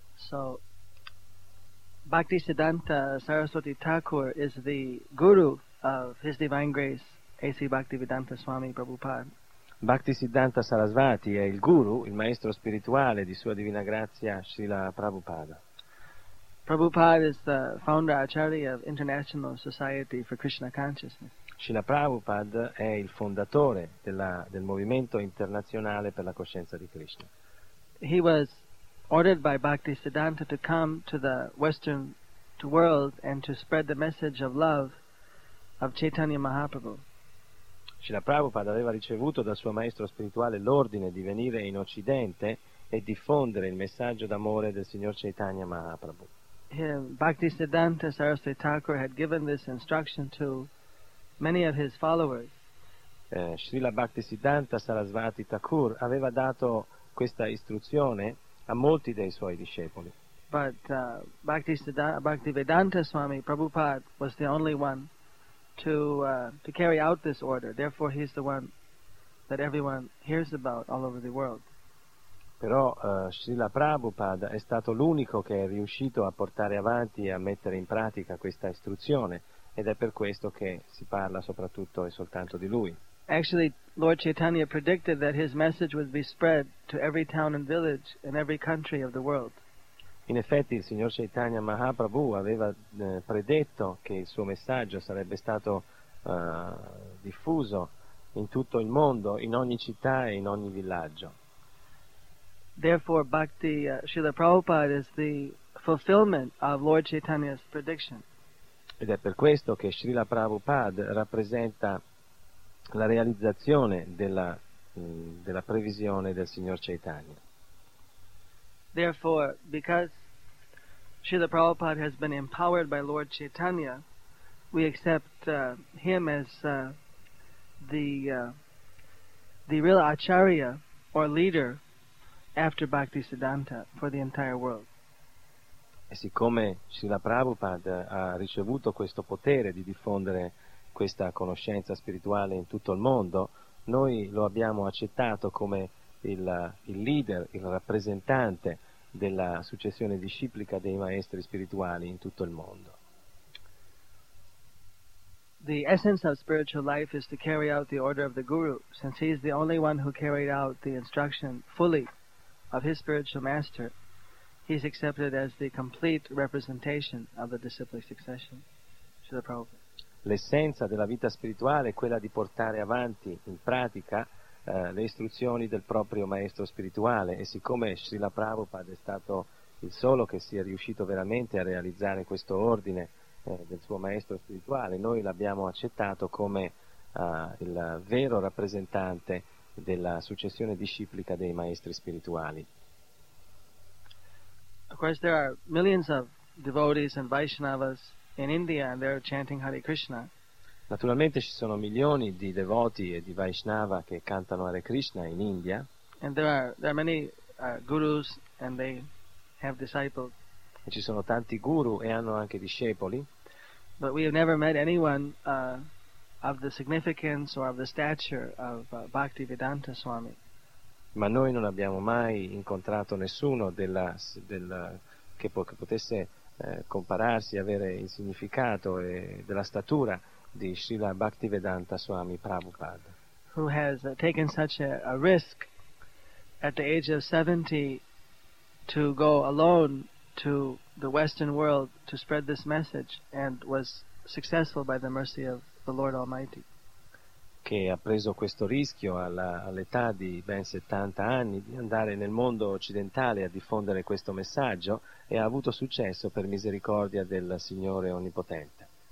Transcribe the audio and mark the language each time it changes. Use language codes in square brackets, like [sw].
[en] So, Bhaktisiddhanta Saraswati Thakur is the guru of His Divine Grace, A.C. Bhaktivedanta Swami Prabhupada. [it] Bhaktisiddhanta Sarasvati è il guru, il maestro spirituale di Sua Divina Grazia, Srila Prabhupada. [en] Prabhupada is the founder acharya of International Society for Krishna Consciousness. [it] Srila Prabhupada è il fondatore del movimento internazionale per la coscienza di Krishna. [en] He was ordered by Bhaktisiddhanta to come to the Western world and to spread the message of love of Chaitanya Mahaprabhu. [it] Srila Prabhupada aveva ricevuto dal suo maestro spirituale l'ordine di venire in Occidente e diffondere il messaggio d'amore del signor Chaitanya Mahaprabhu. [en] Bhaktisiddhanta Saraswati Thakur had given this instruction to many of his followers. [it] Srila Bhaktisiddhanta Sarasvati Thakur aveva dato questa istruzione a molti dei suoi discepoli. [en] But Bhaktivedanta Swami Prabhupada was the only one to carry out this order. Therefore he's the one that everyone hears about all over the world. [it] Però Srila Prabhupada è stato l'unico che è riuscito a portare avanti e a mettere in pratica questa istruzione. Ed è per questo che si parla soprattutto e soltanto di lui. [en] Actually, Lord Chaitanya predicted that his message would be spread to every town and village in every country of the world. [it] In effetti il signor Chaitanya Mahaprabhu aveva predetto che il suo messaggio sarebbe stato diffuso in tutto il mondo, in ogni città e in ogni villaggio. [en] Therefore, Bhakti Srila Prabhupada is the fulfillment of Lord Chaitanya's prediction. [it] Ed è per questo che Srila Prabhupada rappresenta la realizzazione della previsione del signor Chaitanya. [en] Therefore, because Srila Prabhupada has been empowered by Lord Chaitanya, we accept him as the real acharya or leader after Bhakti Siddhanta for the entire world. [it] E siccome Srila Prabhupada ha ricevuto questo potere di diffondere questa conoscenza spirituale in tutto il mondo, noi lo abbiamo accettato come il leader, il rappresentante della successione disciplica dei maestri spirituali in tutto il mondo. [en] The essence of spiritual life is to carry out the order of the Guru, since he is the only one who carried out the instruction fully of his spiritual master. He is accepted as the complete representation of the disciplic succession. Srila Prabhupada. [it] L'essenza della vita spirituale è quella di portare avanti in pratica le istruzioni del proprio maestro spirituale, e siccome Srila Prabhupada è stato il solo che sia riuscito veramente a realizzare questo ordine del suo maestro spirituale, noi l'abbiamo accettato come il vero rappresentante della successione disciplica dei maestri spirituali. [en] Of course there are millions of devotees and Vaishnavas in India and they're chanting Hare Krishna. [it] Naturalmente ci sono milioni di devoti e di Vaishnava che cantano Hare Krishna in India. [en] And there are many gurus and they have disciples. [it] E ci sono tanti guru e hanno anche discepoli. [en] But we have never met anyone of the significance or of the stature of Bhaktivedanta Swami. [it] Ma noi non abbiamo mai incontrato nessuno che potesse compararsi, avere il significato e della statura di Srila Bhaktivedanta Swami Prabhupada, [en] who has taken such a risk at the age of 70 to go alone to the Western world to spread this message and was successful by the mercy of the Lord Almighty. [it] Che ha preso questo rischio all'età di ben 70 anni di andare nel mondo occidentale a diffondere questo messaggio e ha avuto successo per misericordia del Signore Onnipotente.